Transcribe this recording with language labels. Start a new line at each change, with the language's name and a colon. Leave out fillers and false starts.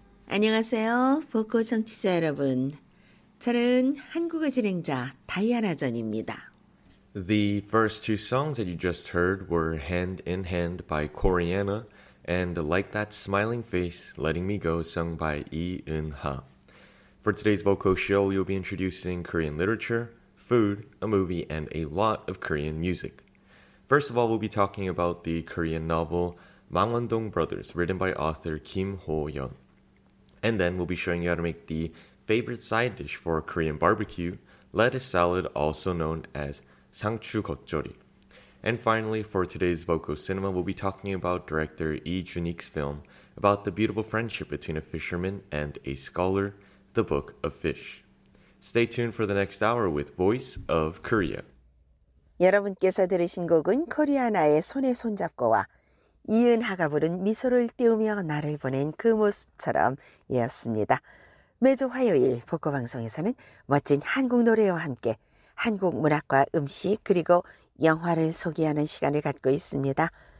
Korean: 안녕하세요, 보코 청취자 여러분. 저는 한국어 진행자 다이아나 전입니다.
English: The first two songs that you just heard were Hand in Hand by Koreana and Like That Smiling Face, Letting Me Go, sung by Lee Eun-ha. For today's vocal show, you'll be introducing Korean literature, food, a movie, and a lot of Korean music. First of all, we'll be talking about the Korean novel Mangwon-dong Brothers, written by author Kim Ho-yeon. And then we'll be showing you how to make the favorite side dish for Korean barbecue, lettuce salad, also known as sangchugeokjeori. And finally, for today's Voco Cinema, we'll be talking about director Lee Junik's film about the beautiful friendship between a fisherman and a scholar, The Book of Fish. Stay tuned for the next hour with Voice of Korea.
Korean: 여러분께서 들으신 곡은 코리아나의 손에 손잡고와 이은하가 부른 미소를 띄우며 나를 보낸 그 모습처럼이었습니다. 매주 화요일 복고 방송에서는 멋진 한국 노래와 함께 한국 문학과 음식 그리고 영화를 소개하는 시간을 갖고 있습니다.